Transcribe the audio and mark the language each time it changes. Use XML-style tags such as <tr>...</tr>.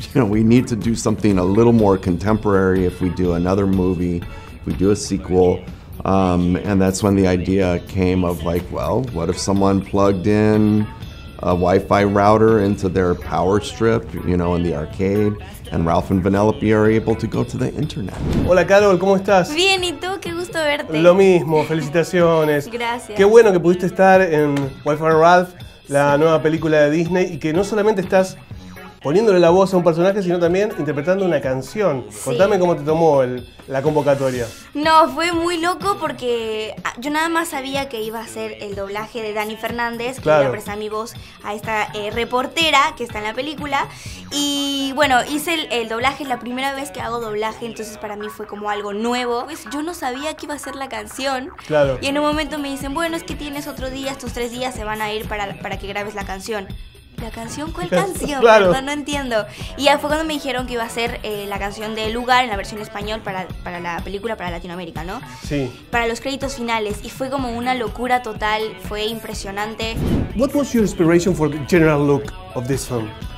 <en>You know, we need to do something a little more contemporary if we do another movie, if we do a sequel. And that's when the idea came of like, well, what if someone plugged in a Wi-Fi router into their power strip, you know, in the arcade, and Ralph and Vanellope are able to go to the internet.</en> <es>Hola, Karol, ¿cómo estás? Bien, ¿y tú? Qué gusto verte. Lo mismo, felicitaciones. Gracias. Qué bueno que pudiste estar en Wi-Fi Ralph, la nueva película de Disney, y que no solamente estás poniéndole la voz a un personaje, sino también interpretando una canción. Sí. Contame cómo te tomó la convocatoria. No, fue muy loco porque yo nada más sabía que iba a hacer el doblaje de Dani Fernández, que claro, le presté mi voz a esta reportera que está en la película. Y bueno, hice el doblaje, es la primera vez que hago doblaje, entonces para mí fue como algo nuevo. Pues yo no sabía que iba a ser la canción. Claro. Y en un momento me dicen, bueno, es que tienes otro día, estos tres días se van a ir para que grabes la canción. ¿La canción? ¿Cuál canción? Claro. Perdón, no entiendo. Y ya fue cuando me dijeron que iba a ser la canción de Lugar en la versión español para la película, para Latinoamérica, ¿no? Sí. Para los créditos finales. Y fue como una locura total. Fue impresionante.</es> <en>What was your inspiration for the general look of this film?</en>